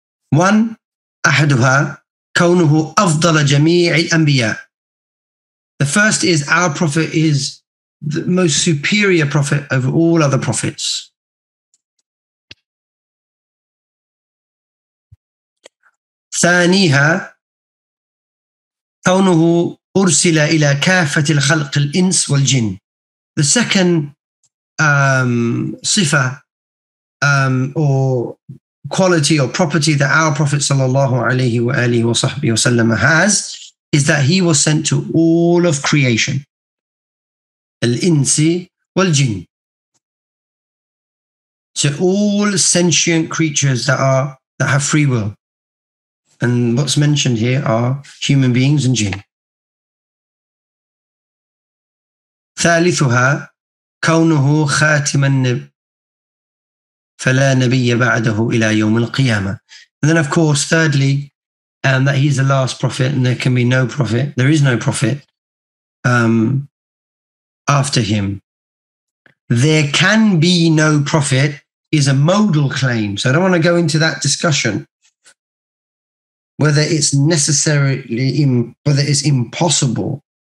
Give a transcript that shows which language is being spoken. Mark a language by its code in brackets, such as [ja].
[en] One, [ar] ahaduha, kawnuhu afdala jami'i anbiya. [en] The first is our prophet is the most superior prophet over all other prophets. [ar] ثانيها كونه أرسل إلى كافة الخلق الإنس والجن. [en] The second sifa or quality or property that our Prophet sallallahu alaihi wa alihi wasallam has is that he was sent to all of creation, [ar] الإنس والجن. [en] So all sentient creatures that have free will. And what's mentioned here are human beings and jinn. [ar] ثالثها كونه خاتم النب فلا نبي بعده إلى يوم القيامة. [en] And then, of course, thirdly, that he's the last prophet, and there can be no prophet. There is no prophet after him. There can be no prophet is a modal claim. So I don't want to go into that discussion. Whether it's impossible.